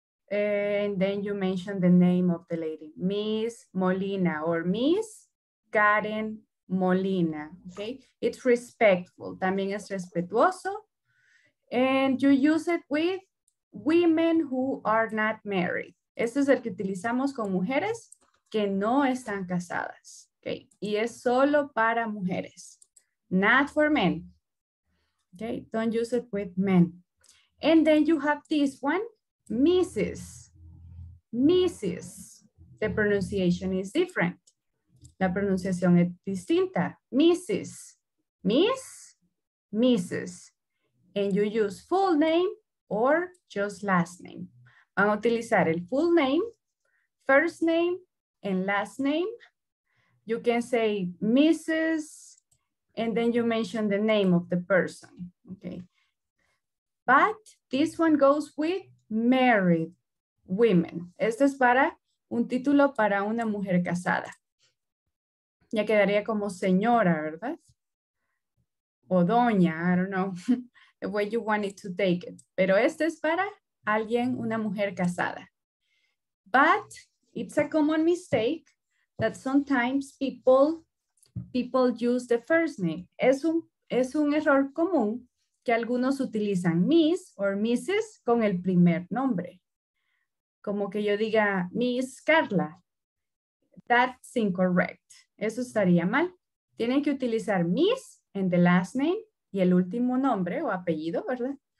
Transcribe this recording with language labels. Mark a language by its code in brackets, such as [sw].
[en] And then you mention the name of the lady. Miss Molina or Miss Karen Molina. Okay. It's respectful. [es] También es respetuoso. [en] And you use it with women who are not married. [es] Este es el que utilizamos con mujeres que no están casadas. Okay. Y es solo para mujeres, [en] not for men. Okay, don't use it with men. And then you have this one, Mrs. Mrs. The pronunciation is different. [es] La pronunciación es distinta. Mrs. Miss, Mrs. [en] And you use full name or just last name. [es] Van a utilizar el [en] full name, first name, and last name. You can say Mrs. and then you mention the name of the person, okay? But this one goes with married women. [es] Esto es para un título para una mujer casada. Ya quedaría como señora, ¿verdad? O doña, [en] I don't know, the way you want it to take it. [es] Pero este es para alguien, una mujer casada. [en] But it's a common mistake that sometimes people use the first name. [es] Es un error común que algunos utilizan Miss or Mrs. con el primer nombre. Como que yo diga Miss Carla. [en] That's incorrect. [es] Eso estaría mal. Tienen que utilizar Miss [en] and the last name [es] y el último nombre o apellido, ¿verdad?